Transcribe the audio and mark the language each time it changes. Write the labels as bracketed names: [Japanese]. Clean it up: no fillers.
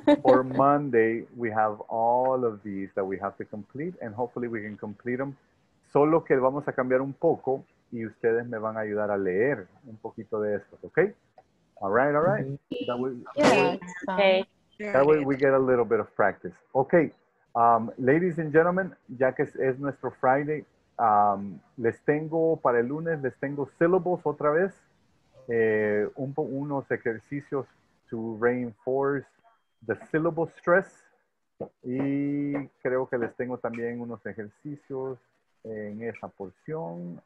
[English] For Monday, we have all of these that we have to complete, and hopefully we can complete them. [Spanish] Solo que vamos a cambiar un poco, y ustedes me van a ayudar a leer un poquito de esto, okay? [English] All right. That way we get a little bit of practice. Okay, ladies and gentlemen, [Spanish] ya que es nuestro Friday, les tengo para el lunes, les tengo syllables otra vez, unos ejercicios [English] to reinforce the syllable stress, [Spanish] y creo que les tengo también unos ejercicios en esa porción.